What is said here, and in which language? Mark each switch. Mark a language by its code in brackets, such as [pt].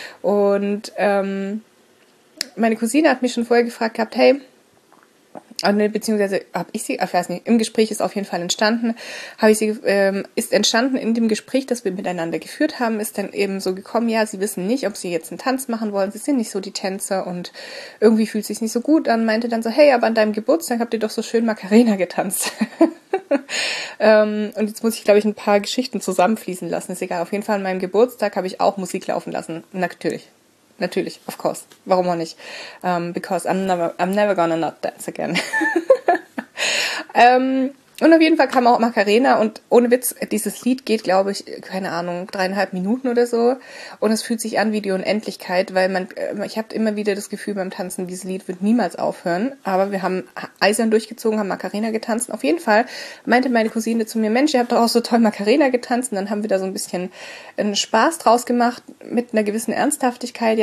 [de] Und meine Cousine hat mich schon vorher gefragt gehabt, hey, beziehungsweise habe ich sie, ich weiß nicht, im Gespräch ist auf jeden Fall entstanden, habe ich sie ist entstanden in dem Gespräch, das wir miteinander geführt haben, ist dann eben so gekommen, ja, sie wissen nicht, ob sie jetzt einen Tanz machen wollen, sie sind nicht so die Tänzer und irgendwie fühlt es sich nicht so gut. Dann meinte dann so, hey, aber an deinem Geburtstag habt ihr doch so schön Macarena getanzt. und jetzt muss ich, glaube ich, ein paar Geschichten zusammenfließen lassen, ist egal. Auf jeden Fall an meinem Geburtstag habe ich auch Musik laufen lassen, natürlich. Natürlich, [en] of course. [de] Warum auch nicht? [en] Because I'm never gonna not dance again. [de] und auf jeden Fall kam auch Macarena, und ohne Witz, dieses Lied geht, glaube ich, keine Ahnung, 3,5 Minuten oder so. Und es fühlt sich an wie die Unendlichkeit, weil ich habe immer wieder das Gefühl beim Tanzen, dieses Lied wird niemals aufhören. Aber wir haben eisern durchgezogen, haben Macarena getanzt. Und auf jeden Fall meinte meine Cousine zu mir, Mensch, ihr habt doch auch so toll Macarena getanzt. Und dann haben wir da so ein bisschen einen Spaß draus gemacht mit einer gewissen Ernsthaftigkeit.